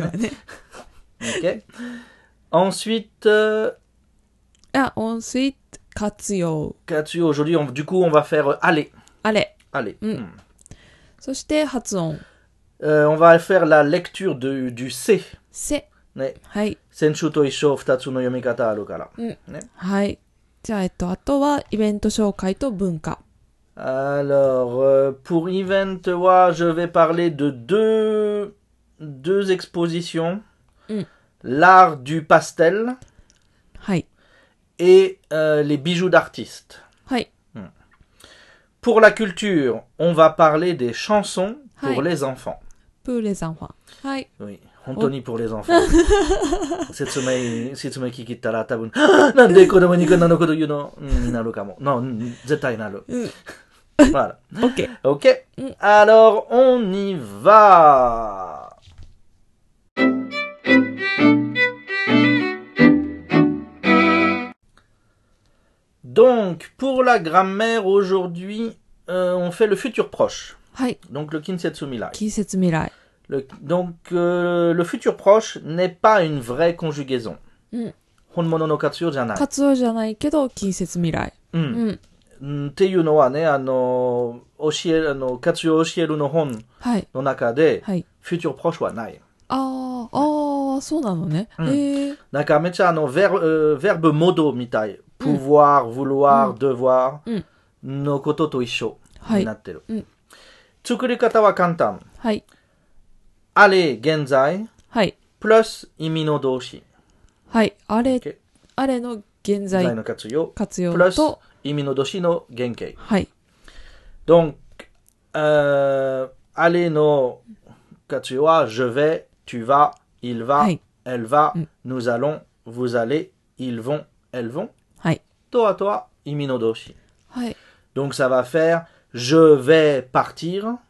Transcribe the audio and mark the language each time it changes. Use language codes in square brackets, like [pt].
[fr] ouais. Ok. Ensuite. Ah, ensuite, katsuyo. Katsuyo, aujourd'hui, du coup, on va faire aller. Allez. Allez. [ja] Soshite, hatsuon. [fr] On va faire la lecture de, du C. [ja] せ、ね、はい、先週と一緒二つの読み方あるから、うん、ね、はい、じゃああとはイベント紹介と文化。 [fr] Alors pour event [ja] は、 [fr] je vais parler de deux expositions、 [ja] うん、 [fr] l'art du pastel、 [ja] はい、 [fr] et les bijoux d'artistes、 [ja] はい、うん、 [fr] pour la culture on va parler des chansons pour、 [ja] はい、 [fr] les enfants、 pour les enfants、 [ja] はい、 [fr] oui。 [ja] 本当に [fr] pour les enfants。 [ja] 説明、説明聞きたら多分、なんで子供にこんなのこと言うの、になるかも。 No, 絶対なる。 [fr] voilà. [en] OK. [fr] OK. Alors, on y va! Donc, pour la grammaire aujourd'hui, on fait le futur proche. Oui. Donc, le Kinsetsu Mirai. [ja] Kinsetsu Mirai. [fr] Donc, le futur proche n'est pas une vraie conjugaison. Mm. [ja] 本物の活用じゃない。活用じゃないけど、近接未来。うん。Mm. っていうのはね、教え、活用教えるの本の中で、はい、 future proche はない。ああ、そうなのね。うん、なんかめっちゃ、 [fr] verbe modo [ja] みたい。 pouvoir、うん、vouloir、うん、devoir、うん、のことと一緒になってる。はい、うん、作り方は簡単。はい。あれ現在、はい、プラス意味の動詞、はい、あれ、okay、あれの現在の活用、活用プラス意味の動詞の原型、はい、 [fr] donc あれの活用は je vais、tu vas、il va、 [ja] はい、 [fr] elle va、 [ja] うん、 [fr] nous allons、vous allez、ils vont、elles vont、 [ja] はい、とあとは意味の動詞、はい、 [fr] donc ça va faire je vais partir、